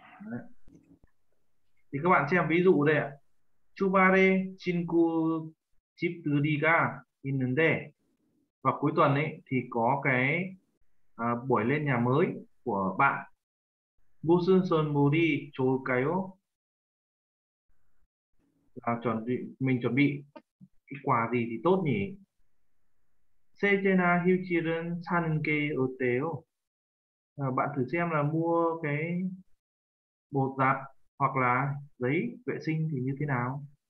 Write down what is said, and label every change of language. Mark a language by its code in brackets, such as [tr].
[vi] Đấy. Thì các bạn xem ví dụ đây ạ. [ko] 주말에 친구 집 들이가 있는데 [vi] và cuối tuần ấy thì có cái buổi lên nhà mới của bạn. [ko] 무슨 선물이 좋을까요? [vi] Là chuẩn bị, mình chuẩn bị quà gì thì tốt nhỉ? [ko] 세제나 휴지는 사는 게 어때요? [vi] Bạn thử xem là mua cái bột giặt hoặc là giấy vệ sinh thì như thế nào?